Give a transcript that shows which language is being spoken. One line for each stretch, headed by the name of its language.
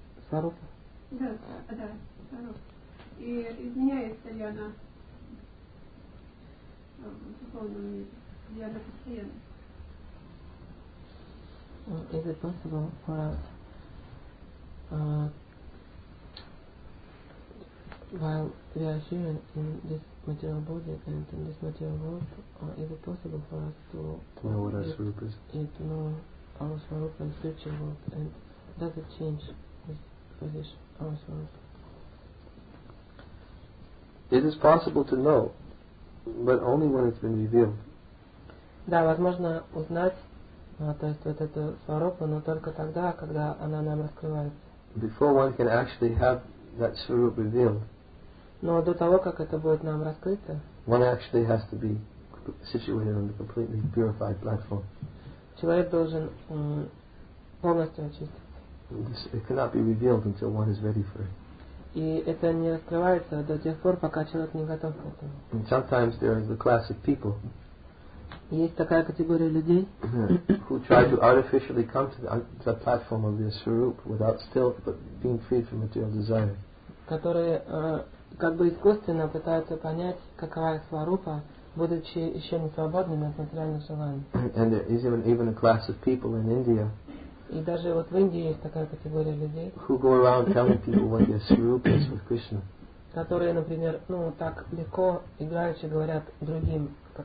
Russian: Сарупа? Да, да, и изменяется ли она в духовном мире? Ли она постоянна?
English: Is it possible for us while we are here in this material body and in this material world, is it possible for us to know what our Swarup is? To know our Swarup and future world, and does it change this position, our Swarup? It is possible to know, but only when it's been revealed.
Russian: Да, возможно узнать. То есть вот эту сварупу, но только тогда, когда она нам раскрывается.
English: Before one can actually have that swarup revealed.
Russian: Но до того, как это будет нам раскрыто.
English: One actually has to be situated on a completely purified platform.
Russian: Человек должен полностью очиститься.
English: This, it cannot be revealed until one is ready for it.
Russian: И это не раскрывается до тех пор, пока человек не готов к этому.
English: And sometimes there is the class of people.
Russian: Есть такая категория людей,
English: who try to artificially come to the platform of the Swarup without still but being freed from material desire.
Russian: Которые как бы искусственно пытаются понять, какова их сварупа, будучи еще не свободными от материальных желаний.
English: And there is even a class of people in India.
Russian: И даже вот в Индии есть такая категория людей,
English: who go around telling people what their Swarup is with Krishna.
Russian: Которые, например, ну так легко играючи говорят другим.